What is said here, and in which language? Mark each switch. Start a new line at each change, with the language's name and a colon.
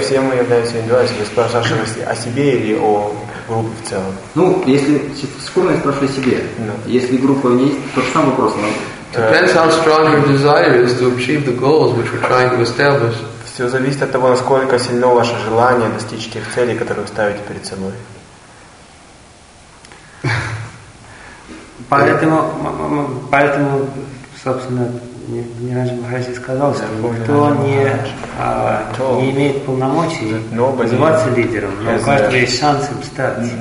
Russian: Все мы являемся индивидуальными. Спрашиваешь о себе или о группе в целом? Ну, если скромно спрашиваю о себе. Если группа не есть, то сам вопрос.
English: Depends how strong your desire is to achieve the goals which we're trying to establish.
Russian: Все зависит от того, насколько сильно ваше желание достичь тех целей, которые вы ставите перед собой. Поэтому, собственно, Нираджа Махараджи сказал, что кто не имеет полномочий называться лидером, но у каждого есть шанс им стать.